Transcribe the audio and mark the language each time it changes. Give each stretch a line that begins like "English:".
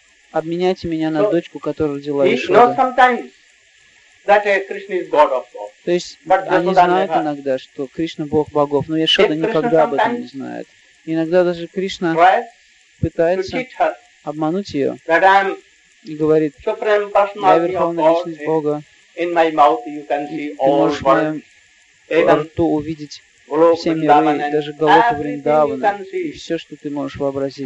Russian: Обменяйте меня на дочку, которую родила Яшода.
English: He knows sometimes that Krishna is God of gods.
Russian: То есть
English: but
Russian: они знают иногда, что Кришна Бог богов, но Яшода никогда об этом не знает. Иногда даже Кришна пытается обмануть ее и говорит, я верховная личность Бога.
English: In my mouth you can see all words.
Russian: Ты можешь во рту увидеть все миры, даже Голоку Вриндавана, и все, что ты можешь вообразить.